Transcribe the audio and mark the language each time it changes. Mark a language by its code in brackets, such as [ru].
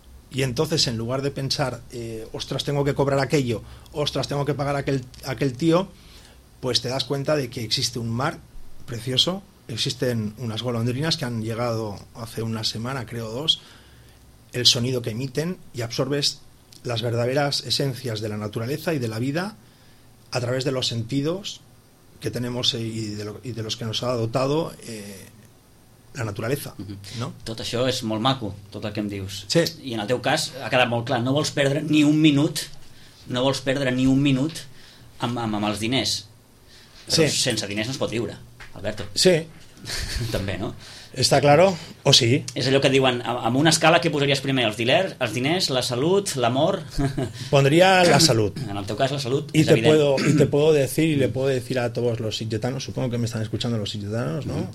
[es] Y entonces, en lugar de pensar, ostras, tengo que cobrar aquello, ostras, tengo que pagar aquel tío, pues te das cuenta de que existe un mar precioso, existen unas golondrinas que han llegado hace una semana, creo dos, el sonido que emiten, y absorbes las verdaderas esencias de la naturaleza y de la vida a través de los sentidos que tenemos y de los que nos ha dotado la naturaleza, ¿no? [ca] Tot això és molt maco, tot el que em dius. Sí. I en el teu cas ha quedat molt clar, no vols perdre ni un minut, no vols perdre ni un minut amb els diners. Sí. Sense diners no es pot viure, Alberto. Sí. També, no? Està claro, o sí. És allò que diuen, amb una escala, que posaries primer? Els diners, la salut, l'amor? Pondria la salut. En el teu cas, la salut. [es] I te puedo decir, y le puedo decir a todos los sitgetanos, supongo que me están escuchando los sitgetanos, ¿no?